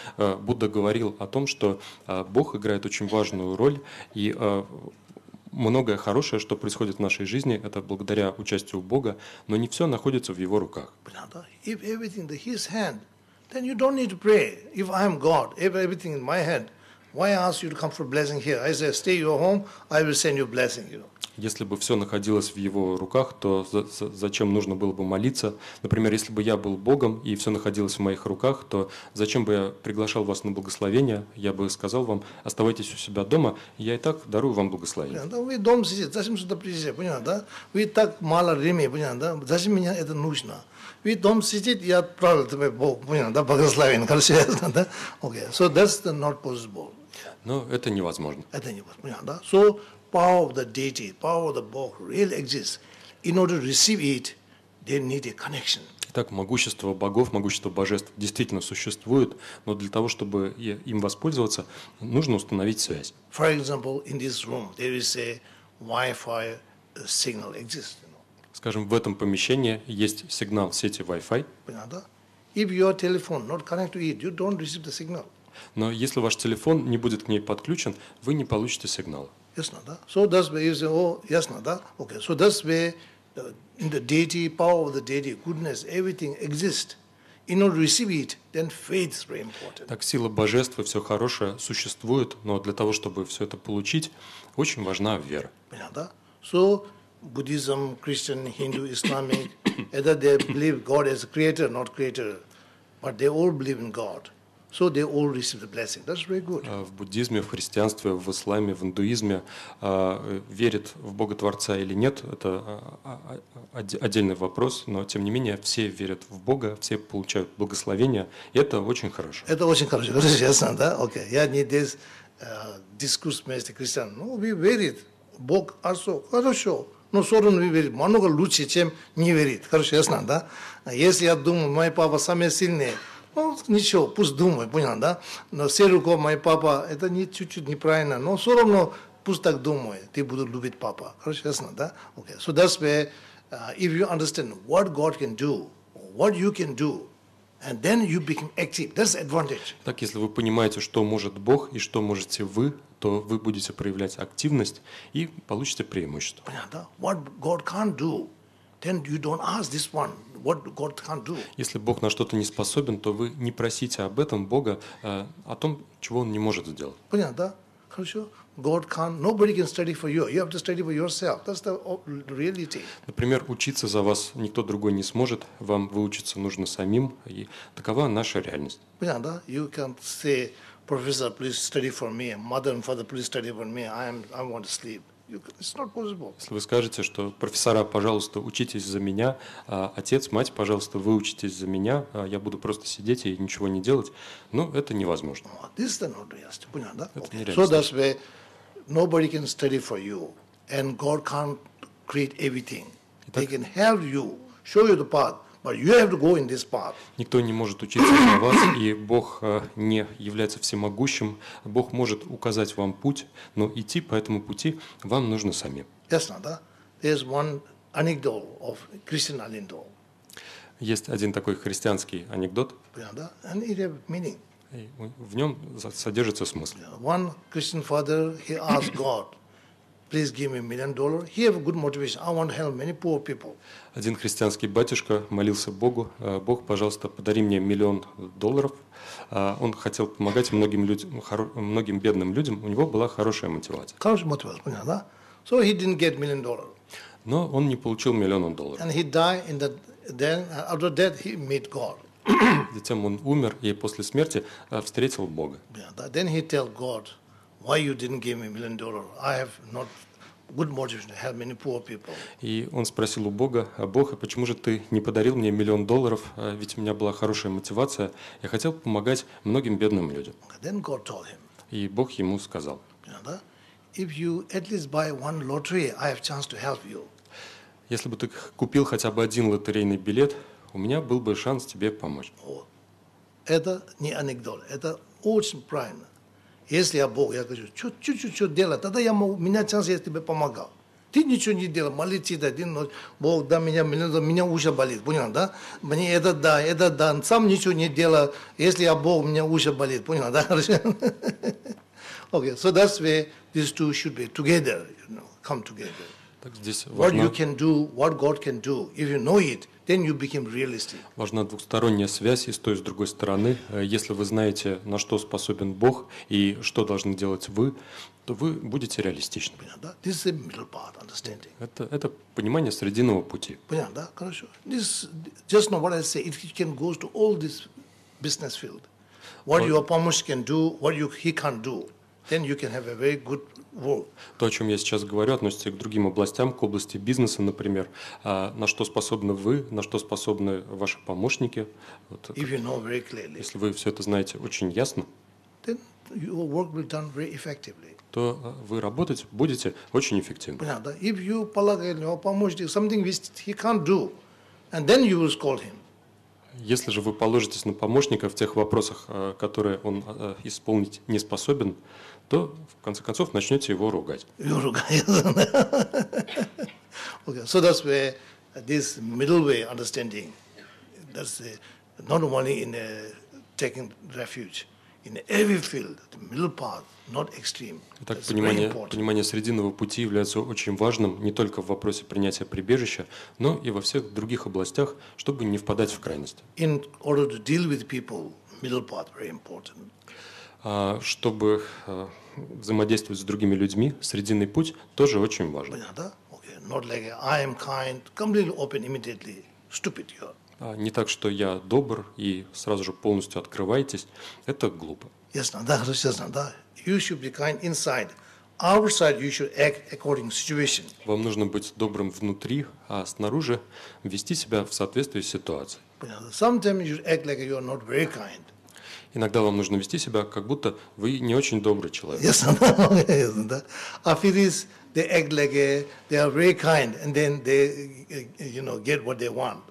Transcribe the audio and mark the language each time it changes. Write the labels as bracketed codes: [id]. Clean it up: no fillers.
[ru] Будда говорил о том, что Бог играет очень важную роль, и многое хорошее, что происходит в нашей жизни, это благодаря участию Бога, но не все находится в его руках. [en] If everything in his hand, then you don't need to pray. If I am God, if everything in my hand, why ask you to come for blessing here? I say, stay your home, I will send you blessing, you know. [ru] Если бы все находилось в его руках, то зачем нужно было бы молиться? Например, если бы я был Богом и все находилось в моих руках, то зачем бы я приглашал вас на благословение? Я бы сказал вам, оставайтесь у себя дома, я и так дарую вам благословение. Вы дома сидите, зачем сюда приезжать, понятно, да? Вы так мало времени, понятно, да? Зачем мне это нужно? Вы дома сидите, я отправил тебе Бог, понятно, да, благословение, хорошо, да? [en] Okay, so that's the not possible. [ru] Но это невозможно. Это невозможно, понятно, да? [en] So power of the deity, power of the Bog really exists. In order to receive it, they need a connection. [ru] Итак, могущество богов, могущество божеств действительно существует, но для того, чтобы им воспользоваться, нужно установить связь. [en] For example, in this room, there is a Wi-Fi signal exists. [ru] Скажем, в этом помещении есть сигнал сети Wi-Fi. [en] If your telephone not connected to it, you don't receive the signal. [ru] Но если ваш телефон не будет к ней подключен, вы не получите сигнал. Ясно, да? [en] So that's where you say, oh, [ru] ясно, да? [en] Okay, so that's where in the deity, power of the deity, goodness, everything exists. In order to receive it, then faith is very important. [ru] Так, сила божества, все хорошее существует, но для того, чтобы все это получить, очень важна вера. Понятно, да? [en] So, Buddhism, Christian, Hindu, Islamic, either they believe God as creator, not creator, but they all believe in God. So they all receive the blessing. That's very good. [ru] В буддизме, в христианстве, в исламе, в индуизме верит в Бога Творца или нет, это отдельный вопрос, но тем не менее все верят в Бога, все получают благословение, и это очень хорошо. Это очень хорошо, честно, да? Окей. Я не здесь дискусс вместе христиан. Ну, вы верите в Бог, а что? Хорошо. Но все равно вы верите. Много лучше, чем не верить. Хорошо, ясно, да? Если я думаю, мой папа самый сильный, ну, ничего, пусть думает, понял, да? Но все руки моего папа, это не, чуть-чуть неправильно, но все равно пусть так думает, ты будешь любить папа. Хорошо, ясно, да? Okay. [en] So that's where, if you understand what God can do, what you can do, and then you become active. That's advantage. [ru] Так, если вы понимаете, что может Бог и что можете вы, то вы будете проявлять активность и получите преимущество. Понятно, да? [en] What God can't do, then you don't ask this one. What God can't do. [ru] Если Бог на что-то не способен, то вы не просите об этом Бога, о том, чего Он не может сделать. Понятно, да? Хорошо. [en] God can't. Nobody can study for you. You have to study for yourself. That's the reality. [ru] Например, учиться за вас никто другой не сможет. Вам выучиться нужно самим. И такова наша реальность. Понятно, да? [en] You can't say, professor, please study for me. Mother and father, please study for me. I want to sleep. It's not possible. [ru] Если вы скажете, что профессора, пожалуйста, учитесь за меня, отец, мать, пожалуйста, вы учитесь за меня, я буду просто сидеть и ничего не делать, ну, это невозможно. [en] This is not reality. [ru] Понятно, да? [en] Okay. So that's why nobody can study for you, and God can't create everything. Итак, they can help you, show you the path. But you have to go in this path. [ru] Никто не может учиться за вас, и Бог не является всемогущим. Бог может указать вам путь, но идти по этому пути вам нужно самим. Ясно, да? [en] There's one anecdote of Christian anecdote. [ru] Есть один такой христианский анекдот. Понятно, да? [en] And it has meaning. [ru] В нем содержится смысл. [en] One Christian father, he asked God, please give me $1 million. He have a good motivation. I want to help many poor people. [ru] Один христианский батюшка молился Богу: Бог, пожалуйста, подари мне $1 million. Он хотел помогать многим людям, многим бедным людям. У него была хорошая мотивация. Хорошая мотивация, понятно, да? [en] So he didn't get $1 million. [ru] Но он не получил $1 million. [en] And he died in that. Then after that he met God. [ru] Затем он умер и после смерти встретил Бога. [en] Yeah, then he tell God. Why you didn't give me $1 million? I have not good motivation to help many poor people. [ru] И он спросил у Бога: Бог, а почему же ты не подарил мне $1 million? Ведь у меня была хорошая мотивация. Я хотел помогать многим бедным людям. [en] Then God told him. [ru] И Бог ему сказал: [en] If you at least buy one lottery, I have chance to help you. [ru] Если бы ты купил хотя бы один лотерейный билет, у меня был бы шанс тебе помочь. Это не анекдот, это очень правильно. Если я Бог, я говорю, чуть-чуть делай, тогда я могу, у меня шанс, я тебе помогал. Ты ничего не делай, молитесь один ночь, Бог, да, меня уши болит, понял, да? Мне это да, это да, сам ничего не делай, если я Бог, у меня уши болит, понял, да? [en] Okay, so that's where these two should be together, you know, come together. [ru] Так здесь важно. [en] What you can do, what God can do, if you know it, then you become realistic. [ru] Важна двухсторонняя связь и с той, и с другой стороны. Если вы знаете, на что способен Бог и что должны делать вы, то вы будете реалистичны. Понятно, да? [en] This is the middle part, understanding. [ru] Это понимание срединного пути. Понятно, да? Хорошо. [en] This just know what I say. It can go to all this business field. What your помощник can do, what he can't do, then you can have a very good. [ru] То, о чем я сейчас говорю, относится к другим областям, к области бизнеса, например. На что способны вы, на что способны ваши помощники? Вот это, [en] if you know very clearly, [ru] если вы все это знаете очень ясно, [en] then your work will be done very effectively. [ru] То вы работать будете очень эффективно. [en] Понятно, да? If you [ru] полагаете, что помощник [en] something he can't do, and then you will call him. [ru] Если же вы положитесь на помощника в тех вопросах, которые он исполнить не способен, то в конце концов начнете его ругать. [en] Okay, so that's where this middle way understanding, that's not only in taking refuge, in every field, the middle path, not extreme. [ru] Итак, понимание срединного пути является очень важным не только в вопросе принятия прибежища, но и во всех других областях, чтобы не впадать в крайности. [en] In order to deal with people, middle path very important. [ru] Чтобы взаимодействовать с другими людьми, срединный путь тоже очень важен. Понятно? Okay. [en] Not like I am kind, completely open, immediately stupid you are. [ru] Не так, что я добр и сразу же полностью открываетесь, это глупо. Ясно, да, ясно, да. [en] You should be kind inside. Outside you should act according to situation. [ru] Вам нужно быть добрым внутри, а снаружи вести себя в соответствии с ситуацией. Понятно. [en] Sometimes you should act like you are not very kind. [ru] Иногда вам нужно вести себя, как будто вы не очень добрый человек. Ясно, да, ясно, да. [en] А Афилис, they act like they are very kind, and then they, you know, get what they want.